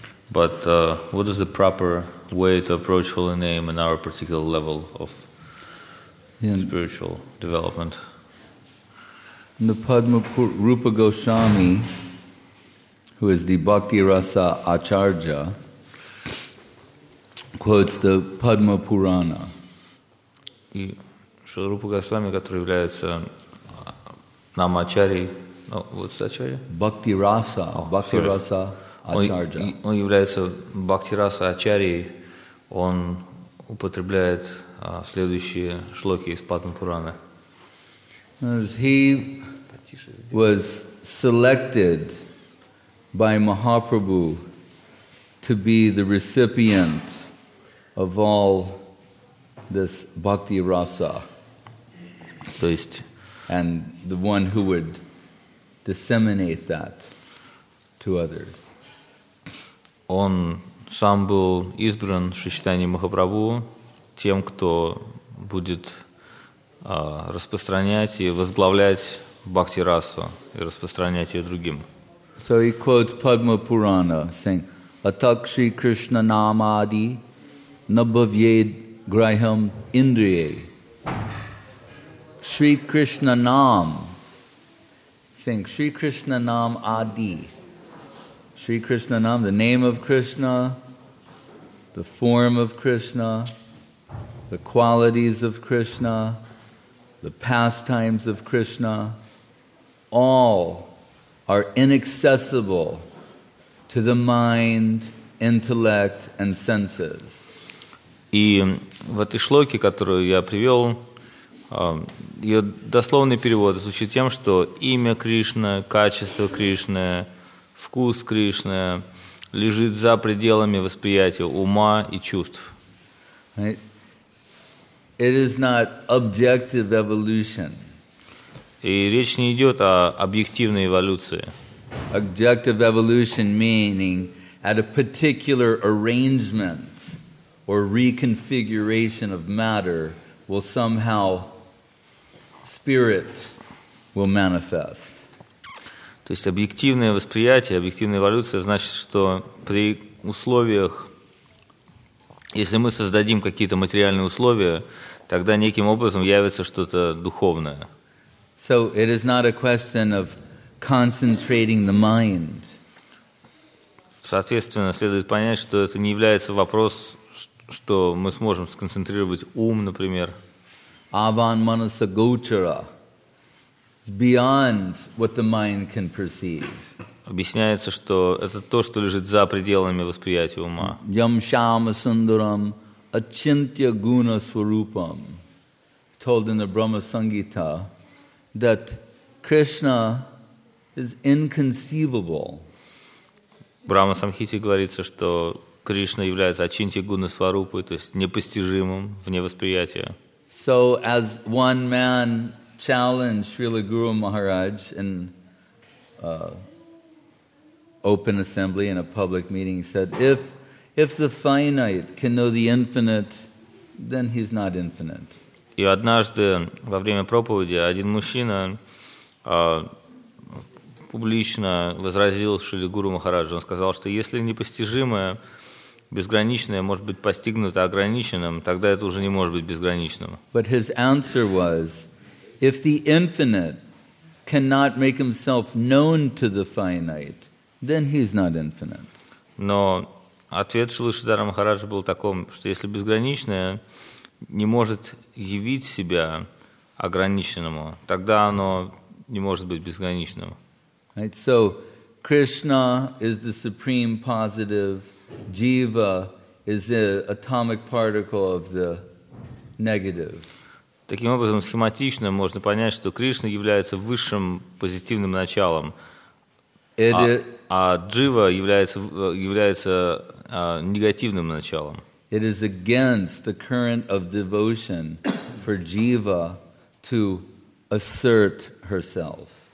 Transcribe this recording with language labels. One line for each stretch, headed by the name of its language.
English: but what is the proper way to approach Holy Name in our particular level of spiritual development? In the Padma Rupa Goswami, who is the Bhakti Rasa Acharya, quotes the Padma Purana.
Russian: И что Рупа Госвами, который является намачари. Бхакти Раса, Бхакти Раса Ачарджа. Он является Бхакти Раса Ачарьей. Он употребляет следующие шлоки из Падма Пураны.
English: He was selected by Mahaprabhu to be the recipient of all this Бхакти Раса.
Russian: То есть,
English: and the one who would disseminate that to others.
Russian: Он сам был избран Шри Чайтанья Махапрабху тем, кто будет распространять и возглавлять Бхакти Расу и распространять ее другим.
English: So he quotes Padma Purana, saying,
Sanskrit: Atak Shri Krishna Namadi Nabhavyed Graham Indriye. Shri Krishna Nam.
English: Saying
Sanskrit: Shri Krishna Nam Adi.
English: Shri Krishna Nam, the name of Krishna, the form of Krishna, the qualities of Krishna, the pastimes of Krishna, all are inaccessible to the mind, intellect, and senses.
Russian: И в этой шлоке, которую я привел, ее дословный перевод звучит тем, что имя Кришна, качество Кришны, вкус Кришны лежит за пределами восприятия ума и чувств.
English: It is not objective evolution.
Russian: И речь не идет о объективной эволюции.
English: Objective evolution meaning at a particular arrangement or reconfiguration of matter will somehow Spirit will manifest.
Russian: То есть объективное восприятие, объективная эволюция значит, что при условиях, если мы создадим какие-то материальные условия, тогда неким образом явится что-то духовное.
English: So it is not a question of concentrating the mind.
Russian: Соответственно, следует понять, что это не является вопрос, что мы сможем сконцентрировать ум, например.
Sanskrit: Avan manasa gochara
English: is beyond what the mind can perceive.
Russian: Объясняется, что это то, что лежит за пределами восприятия ума.
Sanskrit: Yam shama sundaram achintya guna swarupam,
English: told in the Brahma Sangita that Krishna is inconceivable.
Russian: Брама Самхите говорится, что Кришна является Ачинтья Гуна Сварупой, то есть непостижимым, вне восприятия.
English: So as one man challenged Srila Guru Maharaj in open assembly in a public meeting, he said, if the finite can know the infinite, then he's not infinite.
Russian: И однажды во время проповеди один мужчина публично возразил Шри Гуру Махараджу. Он сказал, что если непостижимое, безграничное может быть постигнуто ограниченным, тогда это уже не может быть безграничным.
English: But his answer was, if the infinite cannot make himself known to the finite, then he's not infinite.
Russian: Но ответ Шри Шридхара Махараджа был таком, что если безграничное не может явить себя ограниченному, тогда оно не может быть безграничным.
English: Right, so Krishna is the supreme positive, Jiva is the atomic particle of the negative.
Russian: Таким образом, схематично можно понять, что Кришна является высшим позитивным началом, а Джива является негативным началом.
English: It is against the current of devotion for Jiva to assert herself.